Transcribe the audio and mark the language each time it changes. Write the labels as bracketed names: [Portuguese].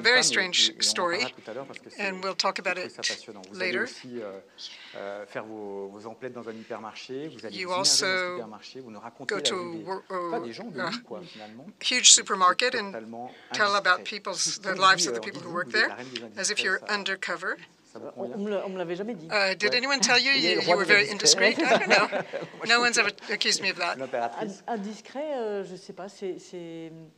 [English] very strange story, and we'll talk about it later. [French] Faire vos emplettes dans un hypermarché, vous allez [English] you also [French] dans un supermarché, vous nous racontez [English] go to a huge supermarket and tell about people's the lives of the people who work there, as if you're undercover. [French] On me l'avait jamais dit. [English] Did anyone tell you you were very indiscreet? I don't know. No one's ever accused me of that. [French] Indiscreet, je sais pas, c'est